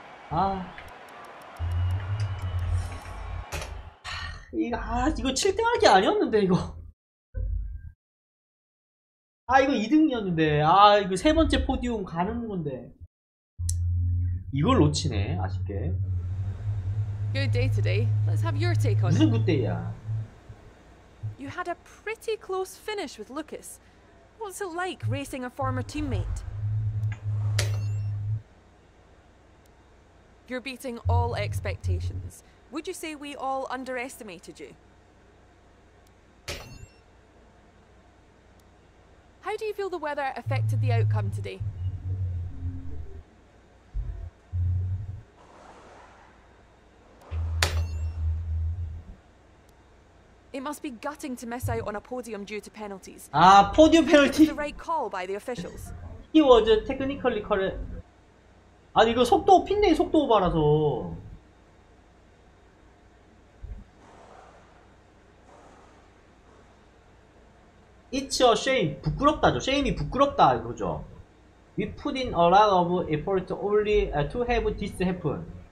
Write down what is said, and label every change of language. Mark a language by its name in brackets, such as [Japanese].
[Korean] 아 이거 7등 할 게 아니었는데 이거. 아 이거 2등이었는데. 아 이거 세 번째 포디움 가는 건데 이걸 놓치네 아쉽게. [English] Good day today. Let's have your take on it. [Korean] 무슨 good day야? [English] You had a pretty close finish with Lucas. What's it like racing a former teammate? You're beating all expectations. Would you say we all underestimated you? How do you feel the weather affected the outcome today? It must be gutting to miss out on a podium due to penalties. [Korean] 아, 포디움 페널티. [English] It was the right call by the officials. He was technically correct. [Korean] 아니 이거 속도 핀데 속도 오바라서. [English] It's a shame. [Korean] 부끄럽다죠. Shame이 부끄럽다 이거죠. [English] We put in a lot of effort only to have this happen.